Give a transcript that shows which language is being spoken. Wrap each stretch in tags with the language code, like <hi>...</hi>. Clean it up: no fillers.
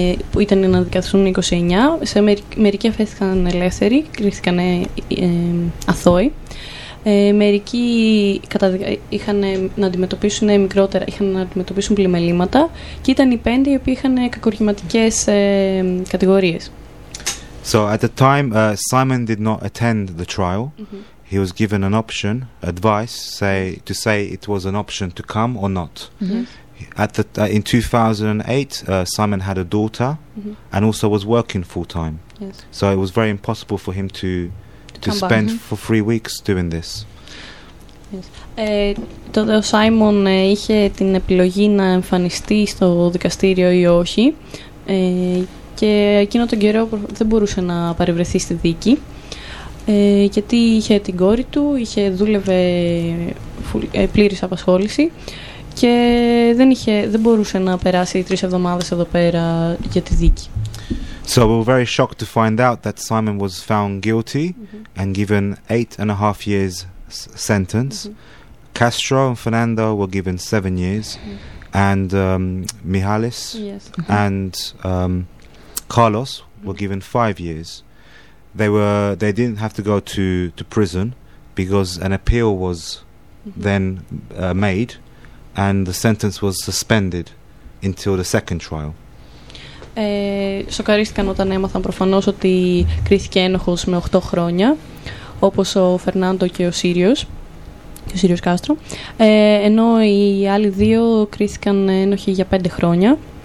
<el>Που ήταν να δικαστούν 29, μερικοί αφέθηκαν ελεύθεροι, κρίθηκαν αθώοι. Μερικοί είχαν να αντιμετωπίσουν μικρότερα, είχαν να αντιμετωπίσουν πλημελήματα και ήταν οι πέντε οι οποίοι είχαν κακοργηματικές κατηγορίες.</el> <en>So at the time, Simon did not attend the trial. He was given an option, advice, to say it was an option to come or not. In 2008, Simon had a daughter and also was working full-time. Yes. So it was very impossible for him to spend for 3 weeks doing this.</en> <el>Τότε ο Σάιμον είχε την επιλογή να εμφανιστεί στο δικαστήριο ή όχι, και εκείνο τον καιρό δεν μπορούσε να παρευρεθεί στη δίκη, γιατί είχε την κόρη του, δούλευε πλήρης απασχόληση και δεν μπορούσε να περάσει 3 εβδομάδες εδώ πέρα για τη δίκη.</el> <en>So we were very shocked to find out that Simon was found guilty and given 8.5 years sentence. Castro and Fernando were given 7 years, and Mihalis and Carlos were given 5 years. They didn't have to go to prison because an appeal was then made, and the sentence was suspended until the second trial.</en> <el>Σοκαρίστηκαν όταν έμαθαν προφανώς ότι κρίθηκε ένοχος με 8 χρόνια, όπως ο Φερνάντο και ο Σύριος, και ο Σύριος Κάστρο, ενώ οι άλλοι δύο κρίθηκαν ένοχοι για 5 χρόνια.</el>